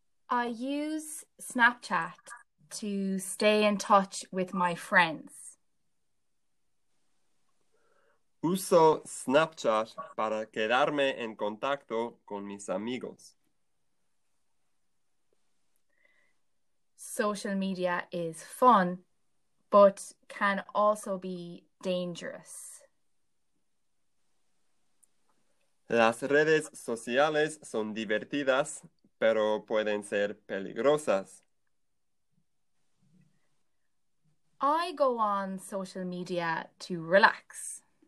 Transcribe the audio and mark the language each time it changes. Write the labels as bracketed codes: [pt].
[en] I use Snapchat to stay in touch with my friends. [es] Uso Snapchat para quedarme en contacto con mis amigos. [en] Social media is fun, but can also be dangerous. [es] Las redes sociales son divertidas, pero pueden ser peligrosas. [en] I go on social media to relax.